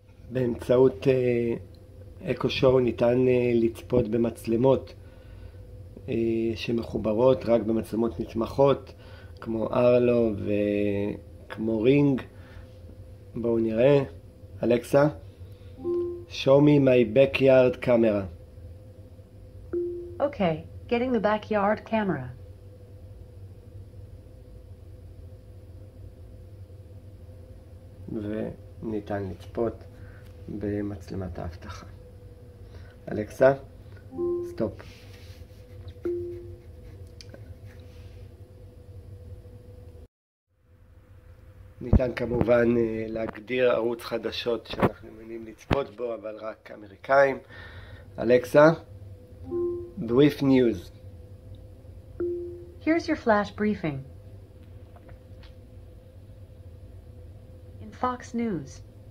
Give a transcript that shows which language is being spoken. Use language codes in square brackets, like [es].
[he] באמצעות אקו שואו ניתן לצפות במצלמות שמחוברות רק במצלמות נתמכות כמו ארלו וכמו רינג. בואו נראה. [en] אלכסה, show me my backyard camera. Okay, getting the backyard camera. [he] וניתן לצפות במצלמת האבטחה. אלכסה, סטופ. ניתן כמובן להגדיר ערוץ חדשות שאנחנו מעוניינים לצפות בו, אבל רק אמריקאים. [en] אלכסה, brief news. Here's your flash briefing. In Fox News.